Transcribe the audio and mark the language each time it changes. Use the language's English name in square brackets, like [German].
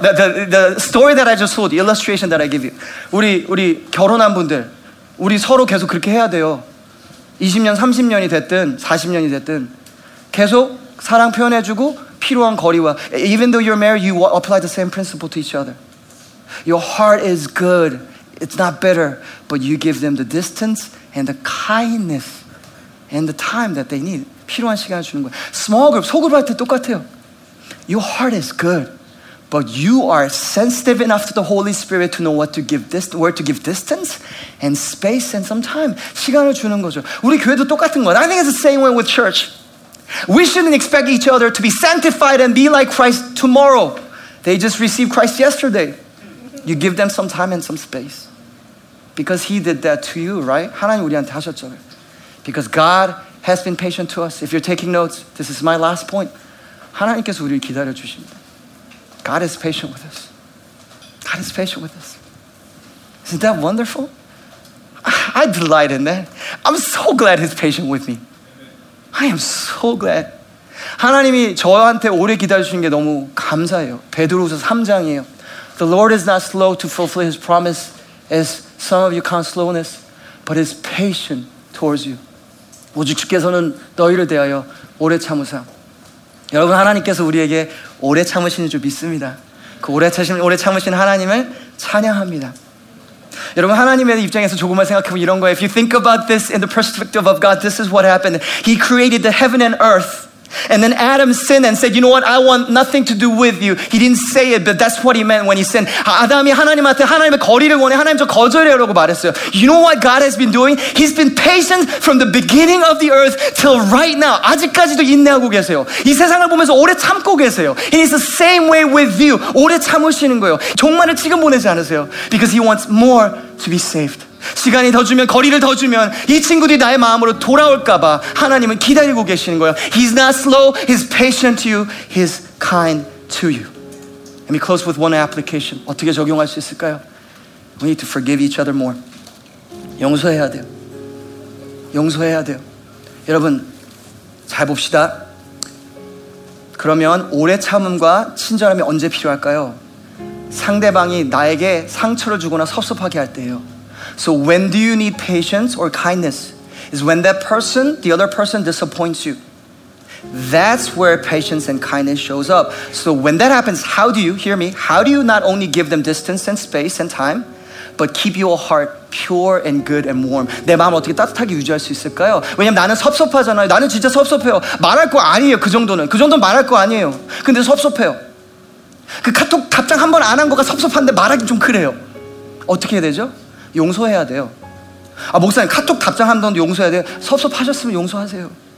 [English] The story that I just told, the illustration that I give you. [Korean] 우리 결혼한 분들, 우리 서로 계속 그렇게 해야 돼요. 20년, 30년이 됐든, 40년이 됐든 계속 사랑 표현해주고 필요한 거리와 [English] Even though you're married, you apply the same principle to each other. Your heart is good. It's not bitter. But you give them the distance and the kindness and the time that they need. [Korean] 필요한 시간을 주는 거예요. [English] Small group, [Korean] 소그룹 할 때 똑같아요. [English] Your heart is good, but you are sensitive enough to the Holy Spirit to know what to give where to give distance and space and some time. [Korean] 시간을 주는 거죠. 우리 교회도 똑같은 거예요. [English] I think it's the same way with church. We shouldn't expect each other to be sanctified and be like Christ tomorrow. They just received Christ yesterday. You give them some time and some space. Because he did that to you, right? [Korean] 하나님 우리한테 하셨잖아요. [English] Because God has been patient to us. If you're taking notes, this is my last point. [Korean] 하나님께서 우리를 기다려주십니다. [English] God is patient with us. God is patient with us. Isn't that wonderful? I delight in that. I'm so glad he's patient with me. I am so glad. [Korean] 하나님이 저한테 오래 기다려주신 게 너무 감사해요. 베드로후서 3장이에요. [English] The Lord is not slow to fulfill his promise as some of you count slowness, but is patient towards you. [Korean] 오직 주께서는 너희를 대하여 오래 참으사. 여러분 하나님께서 우리에게 오래 참으시는 줄 믿습니다. 그 오래 참으신 하나님을 찬양합니다. 여러분 하나님의 입장에서 조금만 생각해보면 이런 거예요. [English] If you think about this in the perspective of God, this is what happened. He created the heaven and earth. And then Adam sinned and said, you know what? I want nothing to do with you. He didn't say it, but that's what he meant when he sinned. [Korean] 아담이 하나님한테 하나님의 거리를 원해 하나님 저 거절해요라고 말했어요. [English] You know what God has been doing? He's been patient from the beginning of the earth till right now. [Korean] 아직까지도 인내하고 계세요. 이 세상을 보면서 오래 참고 계세요. [English] And it's the same way with you. [Korean] 오래 참으시는 거예요. 종말을 지금 보내지 않으세요. [English] Because he wants more to be saved. [Korean] 시간이 더 주면 거리를 더 주면 이 친구들이 나의 마음으로 돌아올까봐 하나님은 기다리고 계시는 거예요. [English] He's not slow, he's patient to you, he's kind to you. Let me close with one application. [Korean] 어떻게 적용할 수 있을까요? [English] We need to forgive each other more. [Korean] 용서해야 돼요. 용서해야 돼요. 여러분 잘 봅시다. 그러면 오래 참음과 친절함이 언제 필요할까요? 상대방이 나에게 상처를 주거나 섭섭하게 할 때예요. [English] So when do you need patience or kindness? Is when that person, the other person disappoints you. That's where patience and kindness shows up. So when that happens, how do you, hear me, how do you not only give them distance and space and time, but keep your heart pure and good and warm. [Korean] 내 마음 어떻게 따뜻하게 유지할 수 있을까요? 왜냐면 나는 섭섭하잖아요. 나는 진짜 섭섭해요. 말할 거 아니에요. 그 정도는. 그 정도는 말할 거 아니에요. 근데 섭섭해요. 그 카톡 답장 한 번 안 한 거가 섭섭한데 말하기 좀 그래요. 어떻게 해야 되죠? 용서해야 돼요. 아 목사님 카톡 답장 한 번 용서해야 돼요? 섭섭하셨으면 용서하세요.